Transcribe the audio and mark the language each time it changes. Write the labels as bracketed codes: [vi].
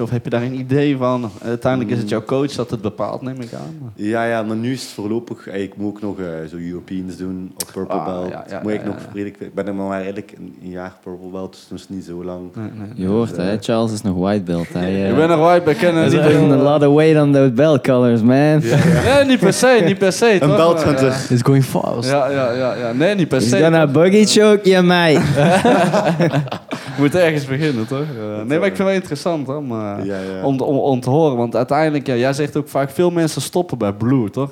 [nl] Of heb je daar een idee van? Uiteindelijk is het jouw coach dat het bepaalt, neem ik aan. Ja, ja, maar nu is het voorlopig... Ik moet ook nog zo Europeans doen, of purple belt. Ja, moet ik nog redelijk... Ik ben maar eigenlijk een jaar purple belt, dus dat is niet zo lang. Nee. Je hoort, dus, Charles is nog white belt. Ik ben nog white, bekennen. [en] There's a lot of weight on those belt colors, man. Yeah. [nl] Nee, niet per se, niet per se. Een belt hunter. [en] It's going fast. [nl] Ja. Nee, niet per se. Is dat een buggy choke? Ja. Mij. Je moet ergens beginnen, toch? Nee, maar ik vind het wel interessant, hoor, maar om te horen. Want uiteindelijk, jij zegt ook vaak, veel mensen stoppen bij Blue, toch?